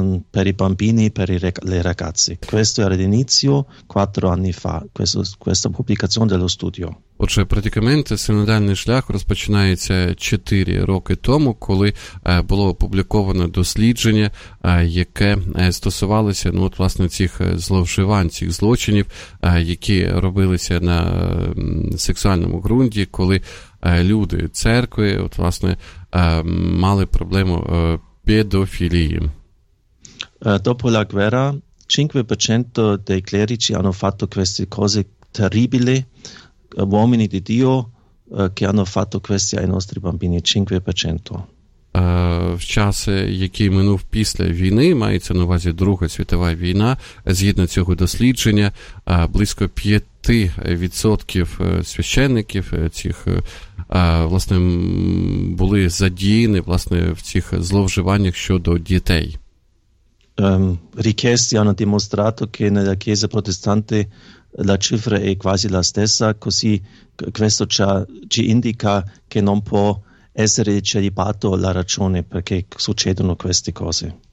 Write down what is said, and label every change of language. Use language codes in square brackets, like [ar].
[it] per i bambini, per i le ragazze. Questo era l'inizio, 4 anni fa, questa pubblicazione dello studio. [uk] Отже, практикаменти, синодальний шлях розпочинається 4 роки тому, коли було опубліковано дослідження, яке стосувалося, ну, от, власне, цих зловживань, цих злочинів, які робилися на сексуальному ґрунті, коли люди церкви, от, власне, мали проблему педофілії. [it] Dopo la guerra, 5% dei clerici hanno fatto queste cose terribili. Uomini di Dio che hanno fatto questi ai nostri bambini, 5%. [uk] В часи, які минув після війни, мається на увазі Друга світова війна, згідно цього дослідження, близько 5% священників цих, власне, були задіяні, власне, в цих зловживаннях щодо дітей. [it] Richieste hanno dimostrato che nella Chiesa protestante la cifra è quasi la stessa, così questo ci indica che non può essere celibato la ragione perché succedono queste cose.